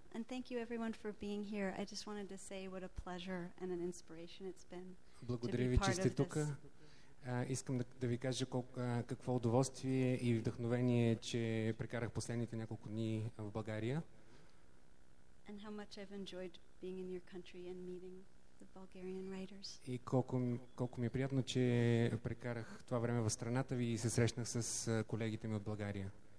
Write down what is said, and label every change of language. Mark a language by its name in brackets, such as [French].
[English] And thank you, everyone, for being here. I just wanted to say what a pleasure and an inspiration it's been to be part of this. [Bulgarian] Благодаря ви, че сте тук. Искам да ви кажа какво удоволствие и вдъхновение, че прекарах последните няколко дни в България. [English] And how much I've enjoyed being in your country and meeting the Bulgarian writers. [Bulgarian] И колко ми е приятно, че прекарах това време в страната ви и се срещнах с колегите ми от България.